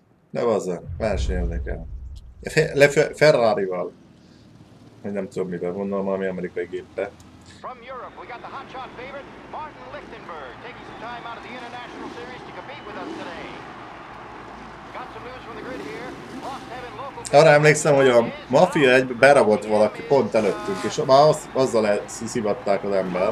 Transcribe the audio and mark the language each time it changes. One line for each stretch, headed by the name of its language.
Hungarian: Ne bazza, versenyezni kell. Ferrari-val. Nem tudom mivel, gondolom valami amerikai gépbe.
English: From Europe, we got the hotshot favorite, Martin Lichtenberg, taking some time out of the international series to compete with us today. Got some news from the grid here. Lost heaven local.
Hungarian: Arra emlékszem, hogy a Mafia egy beragadt valaki pont előttünk, és már azzal szivatták az ember.